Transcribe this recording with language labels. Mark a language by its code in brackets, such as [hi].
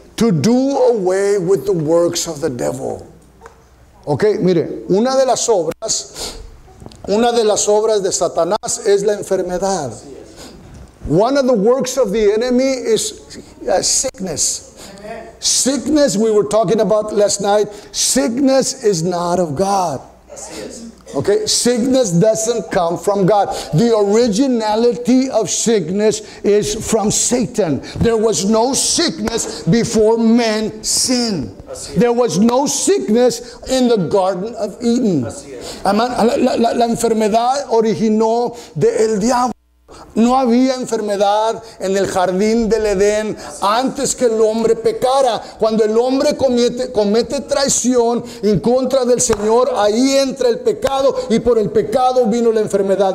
[en] To do away with the works of the devil. [es] Okay, mire, una de las obras de Satanás es la enfermedad. [en] One of the works of the enemy is sickness. Sickness, we were talking about last night, sickness is not of God. Okay, sickness doesn't come from God. The originality of sickness is from Satan. There was no sickness before man sinned. There was no sickness in the Garden of Eden. [es] La enfermedad originó de el diablo. No había enfermedad en el jardín del Edén antes que el hombre pecara. Cuando el hombre comete traición en contra del Señor, ahí entra el pecado y por el pecado vino la enfermedad.